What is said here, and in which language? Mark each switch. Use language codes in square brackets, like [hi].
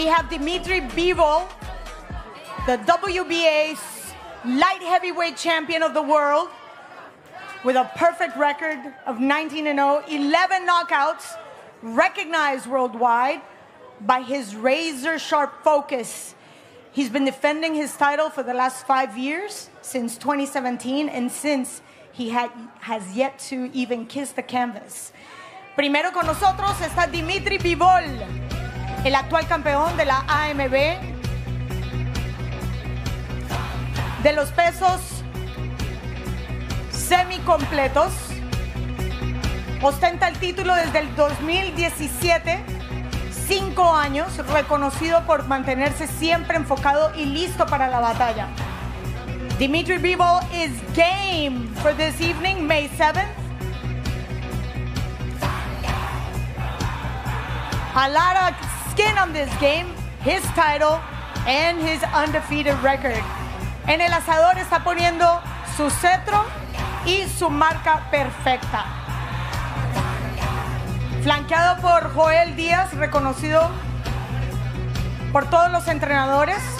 [en] Dmitry Bivol, the WBA's light heavyweight champion of the world, with a perfect record of 19-0, 11 knockouts, recognized worldwide by his razor-sharp focus. He's been defending his title for the last 5 years, since 2017, and since he has yet to even kiss the canvas. [es] Primero con nosotros está Dmitry Bivol, el actual campeón de la AMB, de los pesos semicompletos. Ostenta el título desde el 2017, 5 años, reconocido por mantenerse siempre enfocado y listo para la batalla. [en] Dmitry Bivol is game for this evening, May 7th. A lot of skin on this game, his title, and his undefeated record. [es] En el asador está poniendo su cetro y su marca perfecta. Flanqueado por Joel Díaz, reconocido por todos los entrenadores.